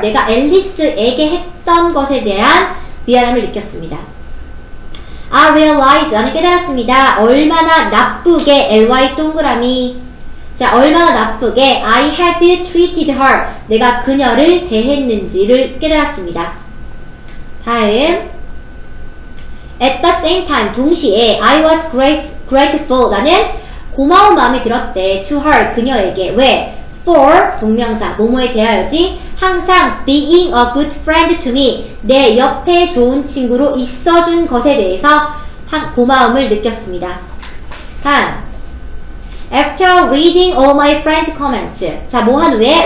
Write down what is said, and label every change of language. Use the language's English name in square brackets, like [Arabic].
[Korean] 내가 앨리스에게 했던 것에 대한 미안함을 느꼈습니다. [English] I realized. [Korean] 나는 깨달았습니다. 얼마나 나쁘게 ly 동그라미. 자, 얼마나 나쁘게 [English] I had treated her. [Korean] 내가 그녀를 대했는지를 깨달았습니다. 다음. [English] At the same time, [Korean] 동시에 [English] I was grateful. [Korean] 나는 고마운 마음이 들었대. [English] To her, [Korean] 그녀에게. 왜? For, 동명사, 뭐뭐에 대하여지. [English] 항상 being a good friend to me. [Korean] 내 옆에 좋은 친구로 있어준 것에 대해서 고마움을 느꼈습니다. 다음. [English] After reading all my friends' comments. [Korean] 자, 뭐한 후에?